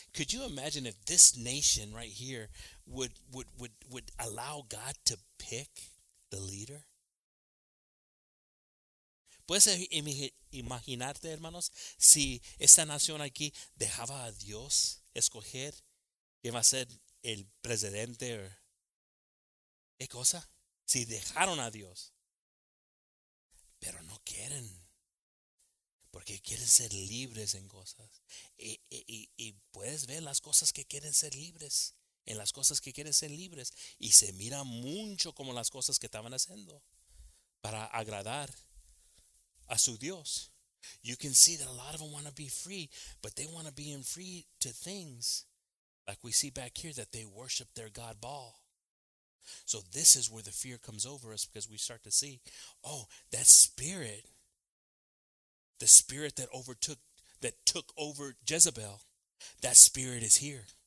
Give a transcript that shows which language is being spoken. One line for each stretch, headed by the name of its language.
English: Could you imagine if this nation right here would allow God to pick the leader?
Spanish: ¿Puedes imaginarte, hermanos, si esta nación aquí dejaba a Dios escoger quién va a ser el presidente? ¿Qué cosa? Si dejaron a Dios, pero no quieren. Porque quieren ser libres en cosas. Y puedes ver las cosas que quieren ser libres. En las cosas que quieren ser libres. Y se mira mucho como las cosas que estaban haciendo. Para agradar a su Dios.
English: You can see that a lot of them want to be free. But they want to be in free to things. Like we see back here that they worship their God Baal. So this is where the fear comes over us. Because we start to see. Oh, that spirit. The spirit that overtook, that took over Jezebel, that spirit is here.